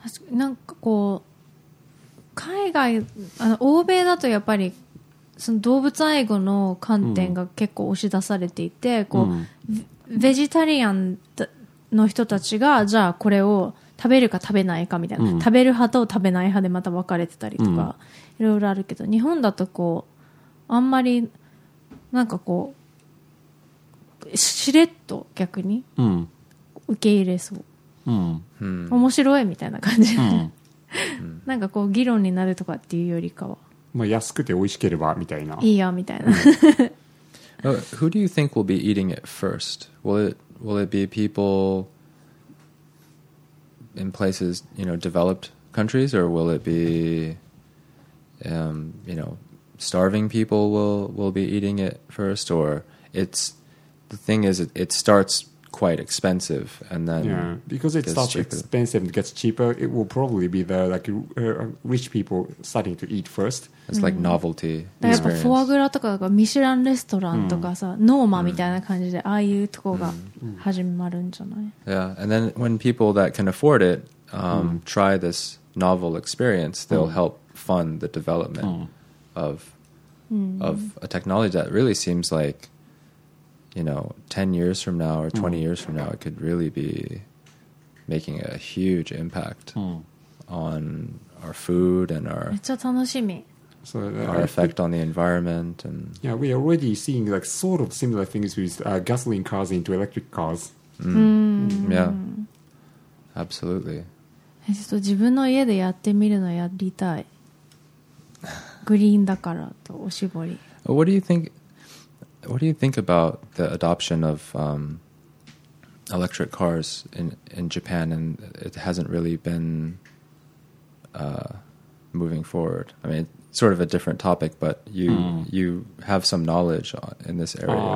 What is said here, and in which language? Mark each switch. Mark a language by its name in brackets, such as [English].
[Japanese] なんかこう海外あの欧米だとやっぱりその動物愛護の観点が結構押し出されていて、こうベジタリアンの人たちがじゃあこれを食べるか食べないかみたいな、食べる派と食べない派でまた分かれてたりとかいろいろあるけど、日本だとこうあんまりなんかこうしれっと逆に受け入れそう、面白いみたいな感じ、なんかこう議論になるとかっていうよりかは、まあ、安くて美味しければみたいな、いいよみたいな、 [English] Who do you think will be eating it first? Will it be people in places, you know, developed countries, or will it be, you know, starving people will be eating it first? Or it's the thing is, it starts quite expensive, and then because it starts expensive and gets cheaper, it will probably be the like rich people starting to eat first. It's like novelty. [Japanese] やっぱフォアグラとかとかミシュランレストランとかさ、ノーマみたいな感じでああいうとこが始まるんじゃない？ [English] Yeah, and then when people that can afford it try this novel experience, they'll help fund the development of a technology that really seems like, you know, 10 years from now or 20 years from now, it could really be making a huge impact on our food and our, [Japanese] めっちゃ楽しみ。 [English] So, our effect on the environment. And yeah, we're already seeing like sort of similar things with gasoline cars into electric cars. Yeah, absolutely. [Japanese] ちょっと自分の家でやってみるのやりたい。グリーンだからとおしぼり。 [English] What do you think about the adoption of electric cars in Japan, and it hasn't really been moving forward? I mean, it's sort of a different topic, but you have some knowledge in this area.